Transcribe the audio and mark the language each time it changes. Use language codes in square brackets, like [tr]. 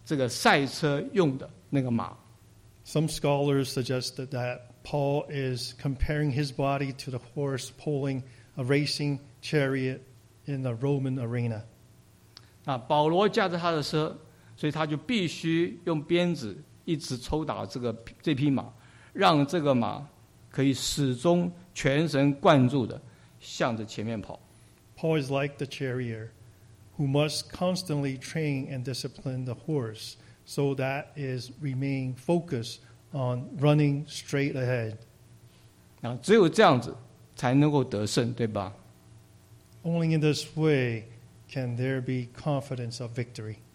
[zh] 那有学者说呢，保罗在这里把自己的身体形容作什么呢？形容就是在罗马竞技场上这个赛车用的那个马。 [en] Some scholars suggested that Paul is comparing his body to the horse pulling a racing chariot in the Roman arena. [zh] 那保罗驾着他的车。所以他就必须用鞭子一直抽打这匹马，让这个马可以始终全神贯注地向着前面跑。Paul [en] is like the charioteer who must constantly train and discipline the horse so that is remain focused on running straight ahead. [zh] 只有这样子才能够得胜，对吧？ [en] Only in this way can there be confidence of victory.